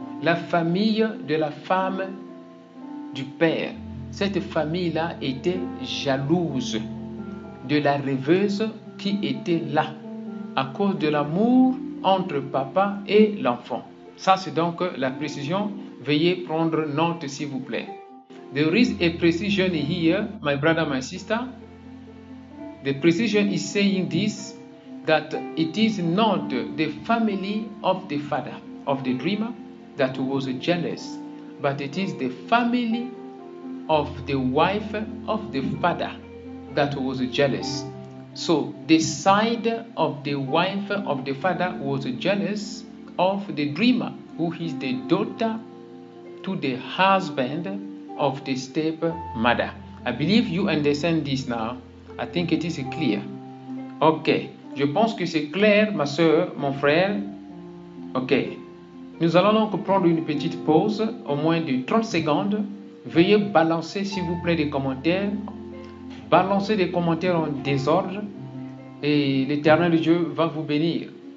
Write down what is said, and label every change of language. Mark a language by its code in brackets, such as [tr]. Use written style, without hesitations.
[fr] La famille de la femme du père. Cette famille-là était jalouse de la rêveuse qui était là à cause de l'amour entre papa et l'enfant. Ça, c'est donc la précision. Veuillez prendre note, s'il vous plaît. [en] There is a precision here, my brother, my sister. The precision is saying this, that it is not the family of the father, of the dreamer, that was jealous, but it is the family of the wife of the father that was jealous. So the side of the wife of the father was jealous of the dreamer, who is the daughter to the husband of the step mother. I believe you understand this now. I think it is clear. [fr] Ok, je pense que c'est clair, ma soeur, mon frère. Ok, nous allons donc prendre une petite pause, au moins de 30 secondes. Veuillez balancer, s'il vous plaît, des commentaires. Balancez des commentaires en désordre et l'Éternel Dieu va vous bénir.